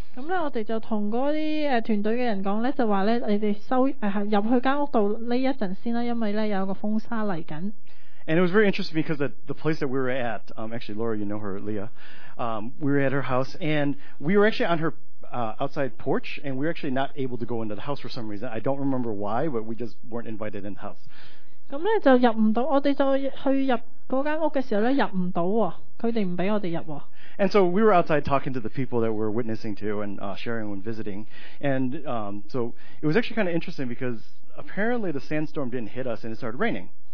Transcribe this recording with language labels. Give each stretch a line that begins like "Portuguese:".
Cantonese: 咁呢我哋就同嗰啲團隊嘅人講呢，就話呢你哋收入去間屋度呢一陣先啦，因為呢有個風沙嚟緊。
English: And it was very interesting because the place that we were at, actually Laura, you know her, Leah, we were at her house and we were actually on her outside porch and we were actually not able to go into the house for some reason. I don't remember why, but we just weren't invited in the house.
Cantonese: 咁呢就入唔到，我哋就去入嗰間屋嘅時候呢，入唔到喎，佢哋唔俾我哋入喎。
English: And so we were outside talking to the people that we're witnessing to and sharing and visiting. And so it was actually kind of interesting because apparently the sandstorm didn't hit us and it started raining.